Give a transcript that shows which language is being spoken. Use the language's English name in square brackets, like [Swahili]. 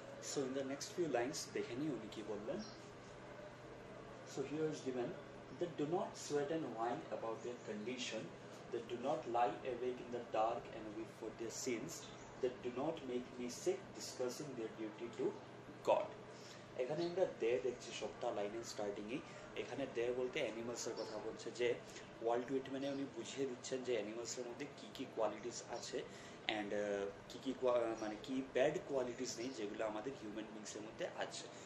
[English] so in the next few lines [Bangla] দেখে নিই উনি কী বললেন. [English] So here is given that do not sweat and whine about their condition, that do not lie awake in the dark and weep for their sins, that do not make me sick discussing their duty to God. [Bangla] এখানে আমরা দে দেখছি সপ্তাহ লাইনে স্টার্টিংয়ে এখানে দে বলতে অ্যানিমালসের কথা বলছে যে ওয়াল্ট হুইটম্যানে উনি বুঝিয়ে দিচ্ছেন যে অ্যানিমালসের মধ্যে কী কী কোয়ালিটিস আছে অ্যান্ড কী কী মানে কী ব্যাড কোয়ালিটিস নেই যেগুলো আমাদের হিউম্যান বিংসের মধ্যে আছে।